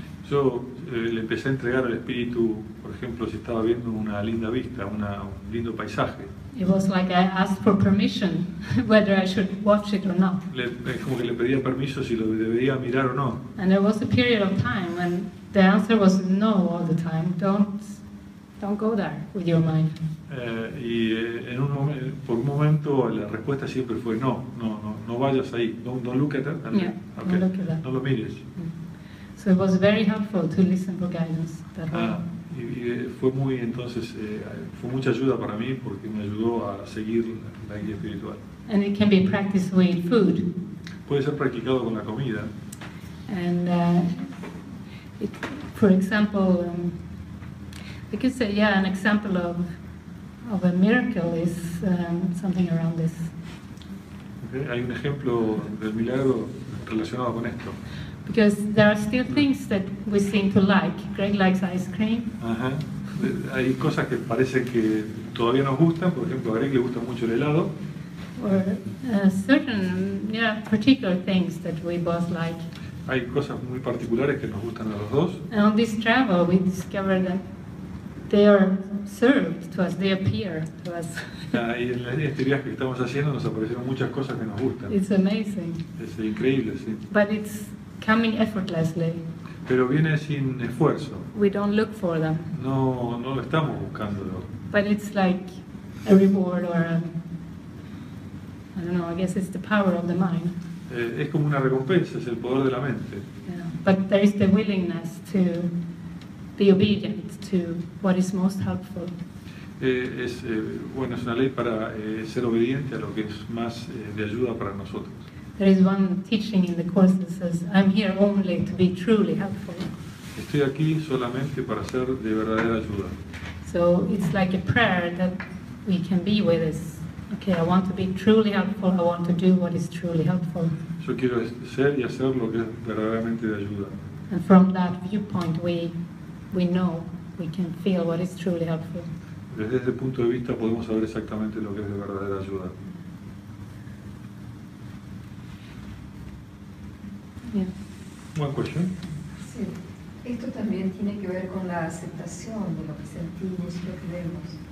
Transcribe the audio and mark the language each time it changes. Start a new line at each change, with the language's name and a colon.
Spanish: Yo le empecé a entregar al espíritu, por ejemplo, si estaba viendo una linda vista, un lindo paisaje.
English: It was like I asked for permission whether I should watch it or not.
Spanish: Como que le pedía permiso si lo debería mirar o no.
English: And there was a period of time when the answer was no all the time. Don't go there with your mind.
Spanish: En un momento, por un momento, la respuesta siempre fue no vayas ahí.
English: Don't look at that. Yeah, okay. Don't look at that.
Spanish: No lo mires.
English: So it was very helpful to listen for guidance. That
Spanish: Y fue muy entonces fue mucha ayuda para mí porque me ayudó a seguir la guía espiritual.
English: And it can be practiced with food.
Spanish: Puede ser practicado con la comida.
English: And for example, I could say yeah, an example of a miracle is something around this. Okay.
Spanish: Hay un ejemplo del milagro relacionado con esto.
English: Because there are still things that we seem to like. Greg likes ice cream. Uh-huh.
Spanish: Hay cosas que parece que todavía nos gustan. Por ejemplo, a Greg le gusta mucho el helado.
English: Or certain, yeah, particular things that we both like.
Spanish: Hay cosas muy particulares que nos gustan a los dos.
English: And on this travel, we discover that they are served to us. They appear to us.
Spanish: Y en este viaje que estamos haciendo nos aparecieron muchas cosas que nos gustan.
English: It's amazing.
Spanish: Es increíble, sí.
English: But it's coming effortlessly.
Spanish: Pero viene sin esfuerzo.
English: We don't look for them.
Spanish: No lo estamos buscando.
English: But it's like a reward or I don't know, I guess it's the power of the mind.
Spanish: Es como una recompensa, es el poder de la mente.
English: Yeah. But there is the willingness to be obedient to what is most helpful.
Spanish: Es una ley para ser obediente a lo que es más de ayuda para nosotros.
English: There is one teaching in the course that says, I'm here only to be truly helpful.
Spanish: Estoy aquí solamente para ser de verdadera ayuda.
English: So it's like a prayer that we can be with us. Okay, I want to be truly helpful, I want to do what is truly helpful.
Spanish: Yo quiero ser y hacer lo que es verdaderamente de ayuda.
English: And from that viewpoint we know, we can feel what is truly helpful.
Spanish: Desde ese punto de vista podemos saber exactamente lo que es de verdadera ayuda.
English: Yeah. One question.
Spanish: Sí. Esto también tiene que ver con la aceptación de lo que sentimos y lo que vemos.